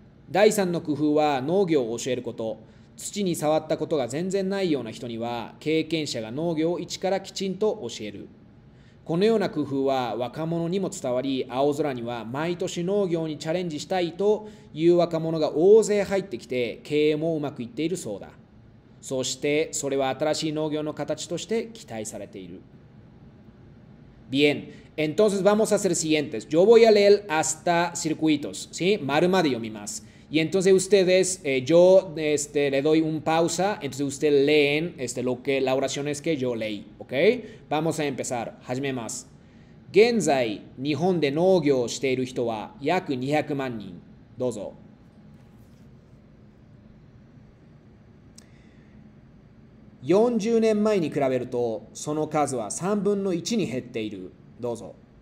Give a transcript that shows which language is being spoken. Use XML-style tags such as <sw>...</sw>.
<ja>第三の工夫は農業を教えること。土に触ったことが全然ないような人には、経験者が農業を一からきちんと教える。このような工夫は若者にも伝わり、青空には毎年農業にチャレンジしたいという若者が大勢入ってきて、経営もうまくいっているそうだ。そしてそれは新しい農業の形として期待されている。</ja> <es>Bien, entonces vamos a hacer siguientes. Yo voy a leer hasta circuitos, ¿sí?</es> <ja>Marma de Yomimas.</ja> <es>Y entonces ustedes, yo le doy un pausa, entonces ustedes leen lo que la oración es que yo leí, ¿ok? Vamos a empezar.</es> <ja>Hajimemas. 現在、日本で農業をしている人は約200万人。どうぞ。 40年前に比べると、その数は3分の1に減っている。どうぞ。</ja>